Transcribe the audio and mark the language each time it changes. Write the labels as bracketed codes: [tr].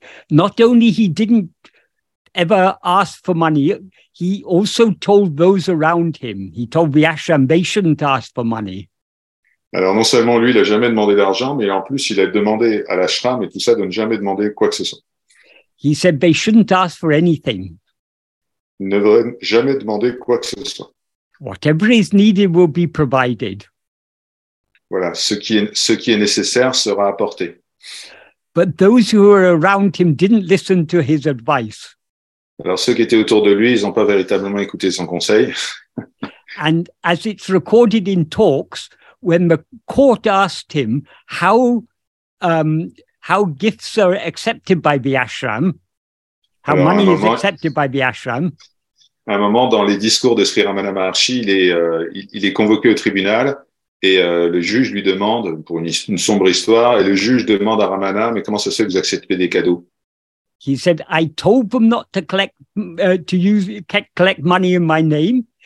[en] Not only he didn't ever ask for money, he also told those around him. He told the ashram they shouldn't ask for money. [fr] Alors, non seulement lui, il n'a jamais demandé d'argent, mais en plus, il a demandé à l'ashram et tout ça de ne jamais demander quoi que ce soit. [en] He said they shouldn't ask for anything. [fr] Ils ne devraient jamais demander quoi que ce soit. [en] Whatever is needed will be provided. [fr] Voilà, ce qui est nécessaire sera apporté. [en] But those who were around him didn't listen to his advice. [fr] Alors ceux qui étaient autour de lui, ils n'ont pas véritablement écouté son conseil. [en] And as it's recorded in talks, when the court asked him how gifts are accepted by the ashram, how Alors, money moment, is accepted by the ashram. [fr] À un moment, dans les discours de Sri Ramana Maharshi, il est convoqué au tribunal et le juge lui demande, pour une sombre histoire, et le juge demande à Ramana, mais comment ça se fait que vous acceptez des cadeaux? [en] He said, I told them not to collect money in my name.